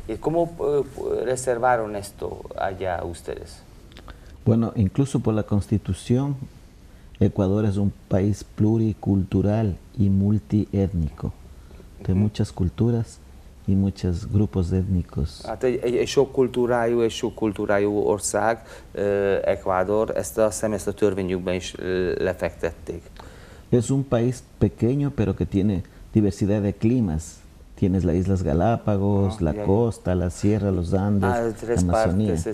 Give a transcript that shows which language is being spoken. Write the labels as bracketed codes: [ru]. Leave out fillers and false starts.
[es] ¿Cómo reservaron esto allá ustedes? Bueno, incluso por la Constitución, Ecuador es un país pluricultural y multiétnico, de muchas culturas y muchos grupos étnicos. [hu] Hát egy sok kultúrájú ország, Ecuador, ezt a törvényükben is lefektették. [es] Es un país pequeño, pero que tiene diversidad de climas. Tienes las Islas Galápagos, la costa, la sierra, los Andes, Amazonía.